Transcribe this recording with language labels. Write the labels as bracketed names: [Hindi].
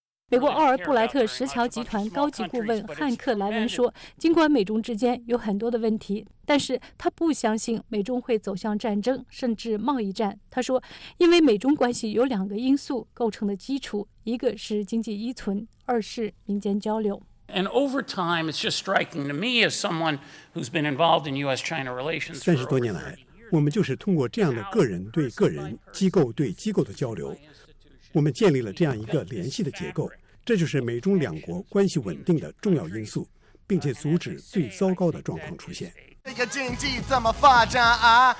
[Chinese] 美国奥尔布莱特石桥集团高级顾问汉克莱文说，尽管美中之间有很多的问题，但是他不相信美中会走向战争甚至贸易战。他说，因为美中关系有两个因素构成的基础，一个是经济依存，二是民间交流。 [English] And over time, it's just striking to me as someone who's been involved in U.S.-China relations. [Chinese] 30多年来，我们就是通过这样的个人对个人、机构对机构的交流，我们建立了这样一个联系的结构。这就是美中两国关系稳定的重要因素，并且阻止最糟糕的状况出现。这个经济怎么发展啊？